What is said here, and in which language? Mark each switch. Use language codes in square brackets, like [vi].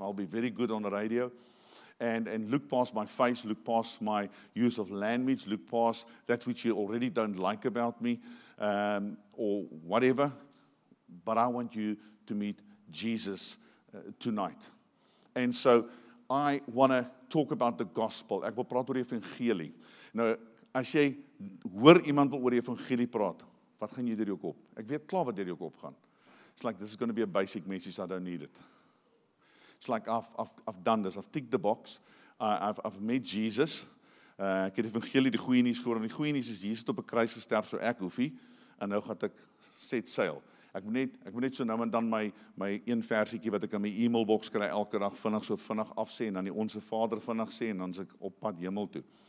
[en] I'll be very good on the radio. And look past my face, look past my use of language, look past that which you already don't like about me, or whatever. But I want you to meet Jesus tonight. And so I want to talk about the gospel. [af] Ek wil praat oor die evangelie. Nou, as jy hoor iemand wil oor die evangelie praat, wat gaan jy deur jou kop? Ek weet klaar wat deur jou kop gaan. [en] It's like, this is going to be a basic message, I don't need it. It's like, I've done this, I've ticked the box, I've met Jesus, [af] ek het die evangelie die goeie nuus gehoor, en die goeie nuus is, Jesus op 'n kruis gesterf, so ek hoefie, en nou gaat ek [en] set sail. [af] Ek moet net so nou en dan my een versiekie wat ek in my e-mailbox kry, elke dag vinnig so vinnig afsê, en dan die Onse Vader vinnig sê, en dan is ek op pad hemel toe.